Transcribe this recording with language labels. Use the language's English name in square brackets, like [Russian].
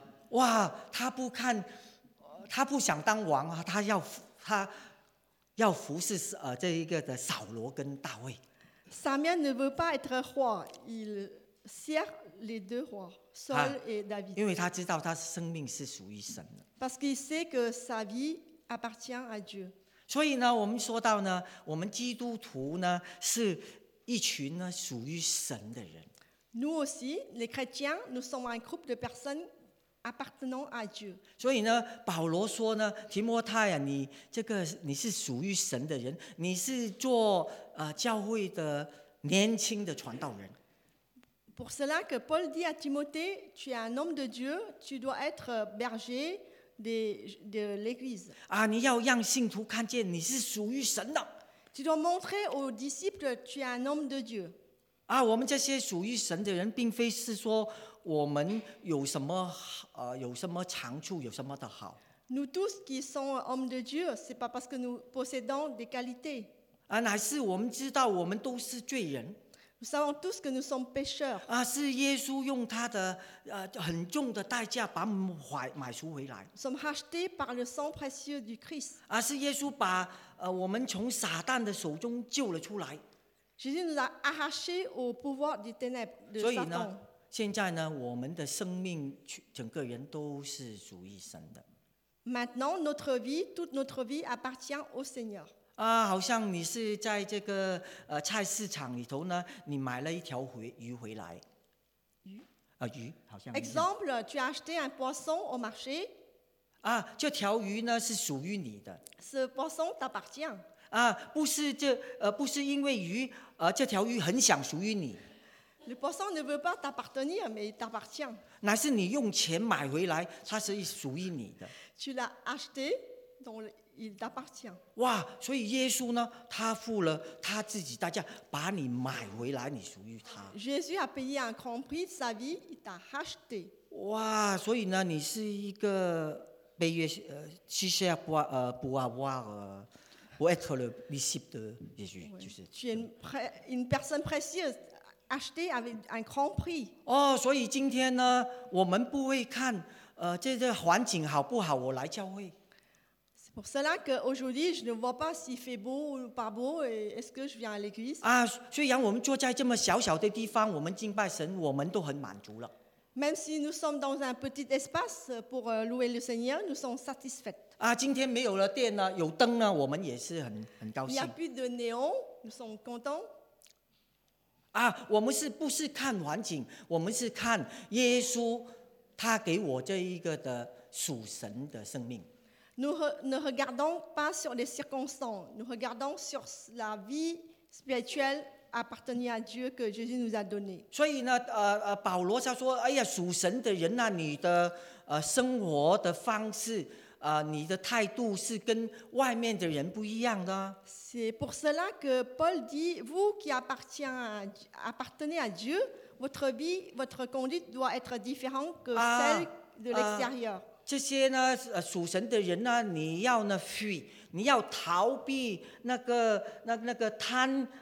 [Chinese] 哇，他不看，他不想当王啊，他要服侍这一个的扫罗跟大卫。 [French] Samuel ne veut pas être roi, il sert les deux rois, Saul et David. [Chinese] 因为他知道他生命是属于神的。 [French] Parce qu'il sait que sa vie appartient à Dieu. [Chinese] 所以呢，我们说到呢，我们基督徒呢是一群呢属于神的人。 [French] Nous aussi, les chrétiens, nous sommes un groupe de personnes appartenant à Dieu. [Chinese] 所以呢，保罗说呢，提摩太啊，你是属于神的人，你是做教会的年轻的传道人。 [French] Pour cela que Paul dit à Timothée, tu es un homme de Dieu, tu dois être berger. De l'église. [Chinese] 你要让信徒看见你是属于神的。 [French] Tu dois montrer aux disciples que tu es un homme de Dieu. [Chinese] 我们这些属于神的人，并非是说我们有什么有什么长处，有什么的好。 [French] Nous tous qui sommes hommes de Dieu, c'est pas parce que nous possédons des qualités. [Chinese] 乃是我们知道我们都是罪人。 [French] Nous savons tous que nous sommes pécheurs. [Chinese] 是耶稣用他的很重的代价把我们买赎回来。 [French] Nous sommes rachetés par le sang précieux du Christ. [Chinese] 是耶稣把我们从撒旦的手中救了出来。 [French] Jésus nous a arrachés au pouvoir des ténèbres de Satan. [Chinese] 所以呢，现在呢，我们的生命整个人都是属于神的。 [French] Maintenant, notre vie, toute notre vie appartient au Seigneur. [Chinese] 好像你是在这个菜市场里头呢，你买了一条鱼回来。鱼？鱼好像。 [French] Exemple, tu as acheté un poisson au marché. [Chinese] 啊，这条鱼呢是属于你的。 [French] Ce poisson t'appartient。 [Chinese] 啊，不是这不是因为鱼，这条鱼很想属于你。 [French] Le poisson ne veut pas t'appartenir, mais t'appartient。 [Chinese] 乃是你用钱买回来，它是属于你的。 [French] Tu l'as acheté, donc il t'appartient。 [Chinese] 哇，所以耶稣呢，他付了他自己代价，把你买回来，你属于他。 [French] Jésus a payé un grand prix de sa vie, il t'a acheté。 [Chinese] 哇，所以呢，你是一个。被约西西亚不啊不啊不啊不 [French] être le disciple de Jésus, 就是。 Tu es une personne précieuse achetée avec un grand prix. [Chinese] 哦，所以今天呢，我们不会看这环境好不好，我来教会。 [French] C'est pour cela que aujourd'hui je ne vois pas s'il fait beau ou pas beau et est-ce que je viens à l'église? [Chinese] 啊，虽然我们坐在这么小小的地方，我们敬拜神，我们都很满足了。 [French] Même si nous sommes dans un petit espace pour louer le Seigneur, nous sommes satisfaits. [Chinese] 啊，今天没有了电呢，有灯呢，我们也是很高兴。 [French] Il n'y a plus de néon, nous sommes contents. [Chinese] 啊，我们是不是看环境？我们是看耶稣，他给我这一个的属神的生命。 [French] Nous ne regardons pas sur les circonstances, nous regardons sur la vie spirituelle. appartenir à Dieu que Jésus nous a donné. [Chinese] 所以呢，保罗他说，哎呀，属神的人啊，你的生活的方式，你的态度是跟外面的人不一样的。 [French] C'est pour cela que Paul dit, vous qui appartenez à Dieu, votre vie, votre conduite doit être différente que celle de l'extérieur. [Chinese] 这些呢，属神的人呢，你要呢fuir，你要逃避那个贪。